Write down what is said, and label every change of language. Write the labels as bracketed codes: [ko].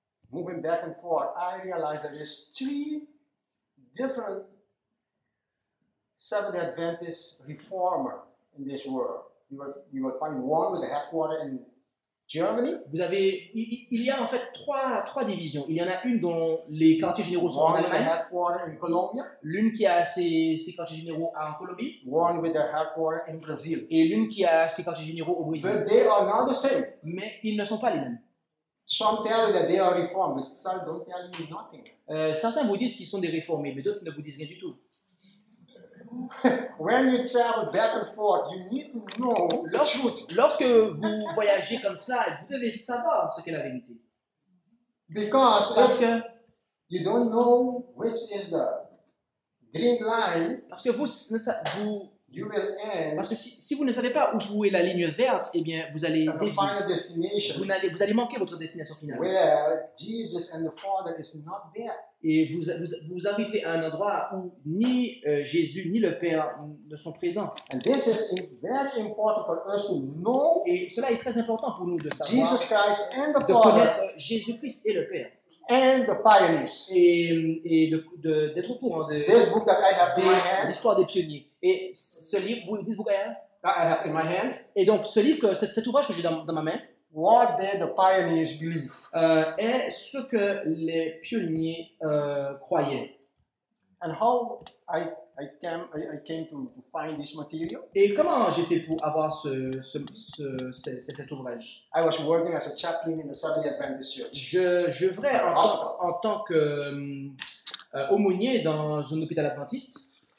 [en] Moving back and forth, I realize that there's three different Seventh-day Adventist reformers in this world. You will find one with the headquarters in Germany. [fr] Il y a en fait trois divisions. Il y en a une dont les quartiers généraux sont [en] one [fr] en Allemagne. [en] One with the headquarters in Colombia. [fr] L'une qui a ses quartiers généraux en Colombie. [en] One with the headquarters in Brazil. [fr] Et l'une qui a ses quartiers généraux au Brésil. [en] But they are not the same. [fr] Mais ils ne sont pas les mêmes. [en] Some tell you that they are reformed, but some don't tell you nothing. [fr] Certains vous disent qu'ils sont des réformés, mais d'autres ne vous disent rien du tout. [en] When you travel back and forth, you need to know the truth. [fr] Lorsque vous voyagez comme ça, vous devez savoir ce qu'est la vérité. Parce que [en] you don't know which is the green line. [fr] Parce que [en] you will end. [fr] Parce que si vous ne savez pas où est la ligne verte, eh bien vous allez vous allez manquer votre destination finale. [en] Where Jesus and the Father is not there. [fr] Et vous arrivez à un endroit où ni Jésus ni le Père ne sont présents. [en] And this is very important for us to know. [fr] Et cela est très important pour nous de savoir. [en] Jesus Christ and the Father. [fr] De connaître Jésus-Christ et le Père. [en] And the pioneers. [fr] Et d'être au courant de. [en] This book that I have in my hand. [fr] L'histoire des pionniers. Et ce livre, [en] this book I have. I have in my hand. [fr] Et donc ce livre, cet ouvrage que j'ai dans ma main. [en] What did the pioneers believe? [fr] Est ce que les pionniers croyaient. [en] And how I came to find this material? [fr] Et comment j'étais pour avoir cet ouvrage? [en] I was working as a chaplain in the Seventh-day Adventist Church. [fr] Je vrais en tant que aumônier dans un hôpital adventiste.